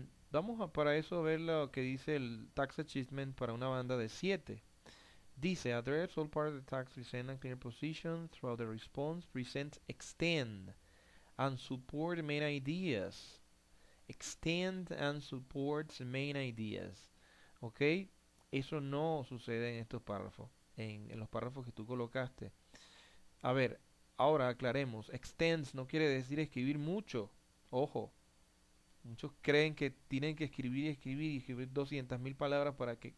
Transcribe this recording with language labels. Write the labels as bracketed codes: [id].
[es] Vamos a para eso a ver lo que dice el Task Achievement para una banda de 7. [en] Dice, address all parts of the task, present a clear position throughout the response, present, extend and support main ideas. Extend and support main ideas. ¿Ok? [es] Eso no sucede en estos párrafos, en los párrafos que tú colocaste. A ver, ahora aclaremos. Extends no quiere decir escribir mucho. Ojo. Muchos creen que tienen que escribir y escribir y escribir 200.000 palabras para que.